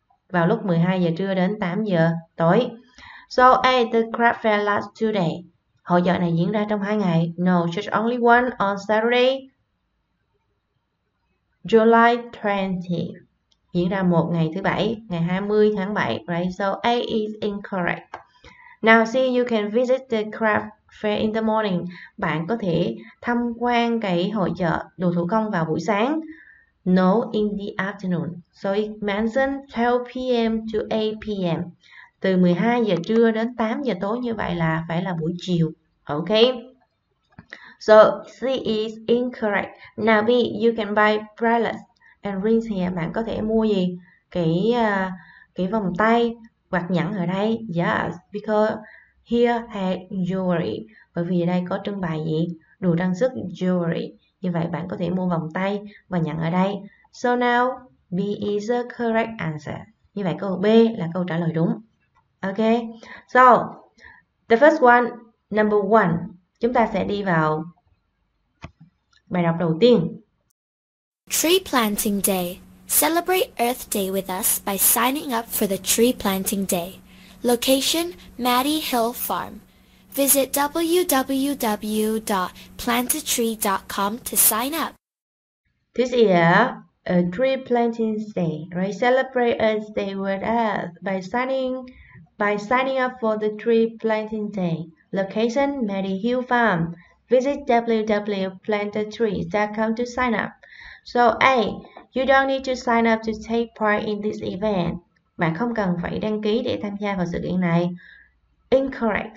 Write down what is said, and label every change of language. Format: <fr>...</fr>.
<vi>Vào lúc 12 giờ trưa đến 8 giờ tối.</vi> <en>So, at the craft fair last 2 days.</en> <vi>Hội chợ này diễn ra trong 2 ngày.</vi> <en>No, just only one on Saturday, July 20.</en> <vi>Diễn ra một ngày thứ Bảy, ngày 20 tháng 7.</vi> <en>Right? So A is incorrect. Now see, you can visit the craft fair in the morning.</en> <vi>Bạn có thể tham quan cái hội chợ đồ thủ công vào buổi sáng.</vi> <en>No, in the afternoon. So it mentioned 12 p.m. to 8 p.m.</en> <vi>Từ 12 giờ trưa đến 8 giờ tối như vậy là phải là buổi chiều.</vi> <en>Ok. So C is incorrect. Now B, you can buy bracelets and rings here.</en> <vi>Bạn có thể mua gì? Cái vòng tay hoặc nhẫn ở đây.</vi> <en>Yes, because here had jewelry.</en> <vi>Bởi vì đây có trưng bày gì? Đồ trang sức, jewelry. Như vậy bạn có thể mua vòng tay và nhẫn ở đây.</vi> <en>So now B is the correct answer.</en> <vi>Như vậy câu B là câu trả lời đúng. Ok.</vi> <en>So the first one, number one,</en> <vi>chúng ta sẽ đi vào bài đọc đầu tiên.</vi> <en>Tree Planting Day. Celebrate Earth Day with us by signing up for the Tree Planting Day. Location, Maddie Hill Farm. Visit www.plantatree.com to sign up. This year, a Tree Planting Day, right? Celebrate Earth Day with us by signing up for the Tree Planting Day. Location, Maddie Hill Farm. Visit www.plantatree.com to sign up. So A, you don't need to sign up to take part in this event.</en> <vi>Bạn không cần phải đăng ký để tham gia vào sự kiện này. Incorrect.</vi>